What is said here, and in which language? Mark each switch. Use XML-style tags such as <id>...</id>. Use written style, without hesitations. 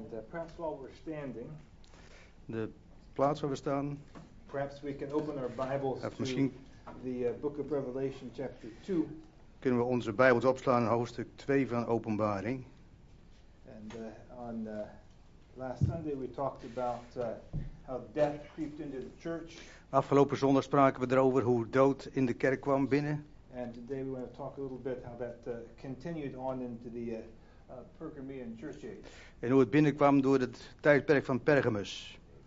<en>Perhaps while we're standing,</en> <nl>de plaats waar we staan.</nl> <en>Perhaps we can open our Bibles to</en> <nl>misschien</nl> <en>the Book of Revelation, chapter 2.</en> <nl>Kunnen we onze Bijbels opslaan in hoofdstuk 2 van Openbaring?</nl> <en>And on last Sunday we talked about how death crept into the church.</en> <nl>Afgelopen zondag spraken we erover hoe dood in de kerk kwam binnen.</nl> <en>And today we want to talk a little bit how that continued on into the Pergamian church age.</en> <nl>En hoe het binnenkwam door het tijdperk van Pergamus.</nl>